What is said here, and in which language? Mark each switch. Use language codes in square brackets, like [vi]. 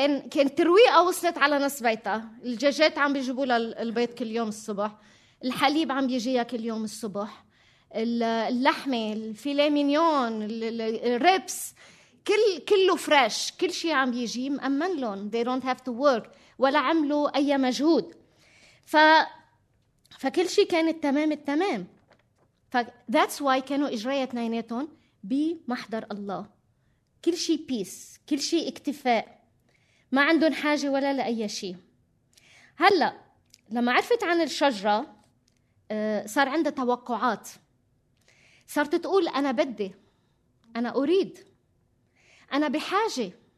[ar] كان ترويقة وصلت على نص بيتها، الدجاجات عم بيجيبوا للبيت كل يوم الصبح، الحليب عم بيجيها كل يوم الصبح، اللحمة، الفيلي مينيون، الريبس، كله فريش، كل شيء عم بيجي مأمن لهم. [en] They don't have to work، [ar] ولا عملوا أي مجهود. فكل شيء كان التمام. [en] That's why [ar] كانوا إجريا اتنيناتهم بمحضر الله، كل شيء [en] peace، [ar] كل شيء اكتفاء، ما عندهم حاجة ولا لأي شيء. هلأ لما عرفت عن الشجرة صار عندها توقعات، صارت تقول أنا بدي، أنا أريد، أنا بحاجة.